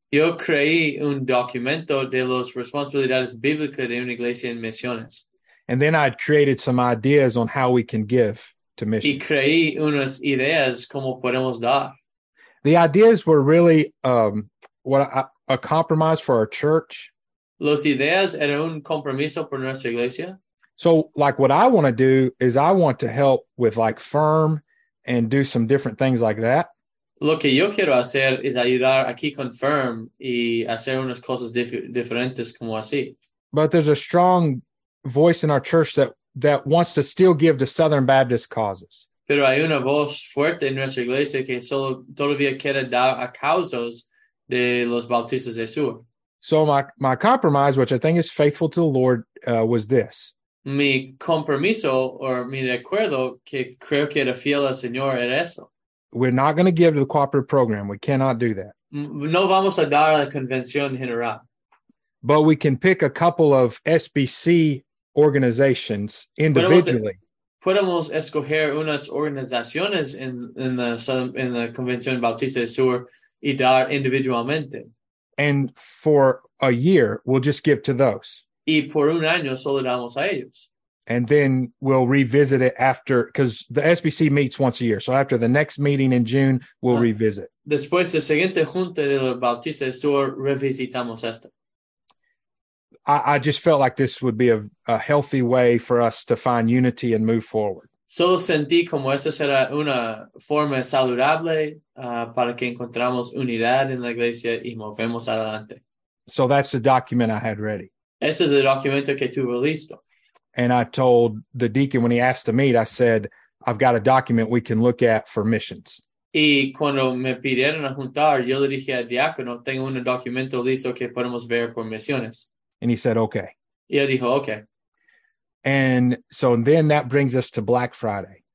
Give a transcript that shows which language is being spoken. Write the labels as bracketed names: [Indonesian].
[Spanish] Yo creé un documento de las responsabilidades bíblicas de una iglesia en misiones. [English] And then I had created some ideas on how we can give to missions. [Spanish] Y creé unas ideas como podemos dar. [English] The ideas were really a compromise for our church. [Spanish] Los ideas eran un compromiso por nuestra iglesia. [English] So, like, what I want to do is I want to help with, like, FIRM and do some different things like that. [Spanish] Lo que yo quiero hacer es ayudar aquí con FIRM y hacer unas cosas diferentes como así. [English] But there's a strong voice in our church that wants to still give to Southern Baptist causes. [Spanish] Pero hay una voz fuerte en nuestra iglesia que solo todavía quiere dar a causas de los bautistas del sur. [English] So my compromise, which I think is faithful to the Lord, was this. [Spanish] Mi compromiso, or mi acuerdo, que creo que era fiel al Señor, era eso. [English] We're not going to give to the cooperative program. We cannot do that. [Spanish] No vamos a dar a la convención general. [English] But we can pick a couple of SBC organizations individually. [Spanish] Podemos escoger unas organizaciones en la convención Bautista del Sur y dar individualmente. [English] And for a year, we'll just give to those. [Spanish] Y por un año solo damos a ellos. [English] And then we'll revisit it after, because the SBC meets once a year. So after the next meeting in June, we'll revisit. [Spanish] Después de la siguiente junta de los bautistas, solo revisitamos esto. [English] I just felt like this would be a healthy way for us to find unity and move forward. [Spanish] Solo sentí como esta será una forma saludable para que encontramos unidad en la iglesia y movemos adelante. [English] So that's the document I had ready. [Spanish] Ese es el documento que tuve listo. [English] And I told the deacon when he asked to meet, I said, I've got a document we can look at for missions. [Spanish] Y cuando me pidieron a juntar, yo le dije al diácono, tengo un documento listo que podemos ver por misiones. [English] And he said, okay. [Spanish] Y él dijo, okay. [English] And so then that brings us to Black Friday.